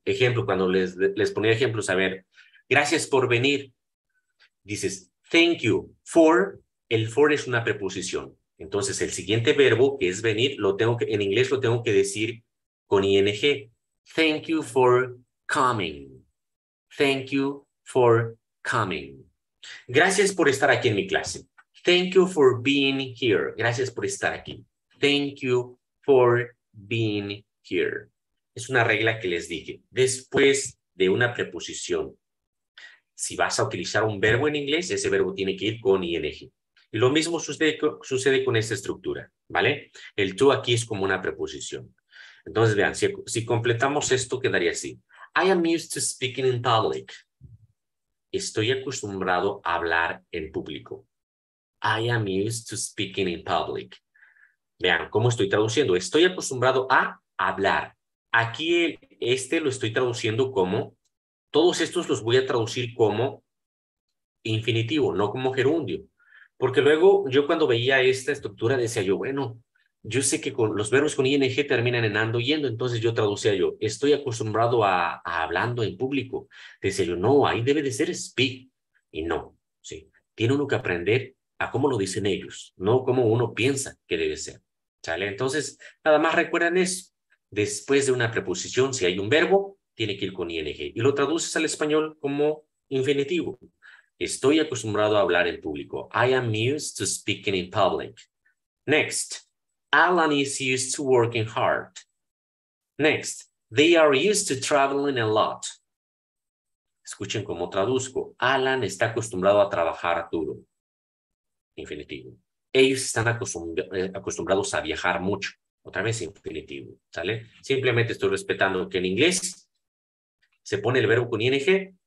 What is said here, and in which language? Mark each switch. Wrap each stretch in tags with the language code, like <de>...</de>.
<es>Ejemplo, cuando les ponía ejemplos, a ver, gracias por venir, dices,</es> <en>thank you for,</en> <es>el for es una preposición. Entonces, el siguiente verbo, que es venir, en inglés lo tengo que decir con ing.</es> <en>Thank you for coming. Thank you for coming.</en> <es>Gracias por estar aquí en mi clase.</es> <en>Thank you for being here.</en> <es>Gracias por estar aquí.</es> <en>Thank you for being here.</en> <es>Es una regla que les dije. Después de una preposición, si vas a utilizar un verbo en inglés, ese verbo tiene que ir con ing. Y lo mismo sucede con esta estructura, ¿vale? El to aquí es como una preposición. Entonces, vean, si completamos esto, quedaría así.</es> <en>I am used to speaking in public.</en> <es>Estoy acostumbrado a hablar en público.</es> <en>I am used to speaking in public.</en> <es>Vean, ¿cómo estoy traduciendo? Estoy acostumbrado a hablar. Aquí este lo estoy traduciendo como, todos estos los voy a traducir como infinitivo, no como gerundio. Porque luego yo cuando veía esta estructura decía yo, bueno, yo sé que con los verbos con ing terminan en ando yendo, entonces yo traducía yo, estoy acostumbrado a hablando en público. Decía yo, no, ahí debe de ser speak. Y no, sí, tiene uno que aprender a cómo lo dicen ellos, no cómo uno piensa que debe ser. ¿Sale? Entonces, nada más recuerden eso. Después de una preposición, si hay un verbo, tiene que ir con ing. Y lo traduces al español como infinitivo. Estoy acostumbrado a hablar en público.</es> <en>I am used to speaking in public. Next, Alan is used to working hard. Next, they are used to traveling a lot.</en> <es>Escuchen cómo traduzco. Alan está acostumbrado a trabajar duro. Infinitivo. Ellos están acostumbrados a viajar mucho. Otra vez, infinitivo. ¿Sale? Simplemente estoy respetando que en inglés se pone el verbo con ing.</es>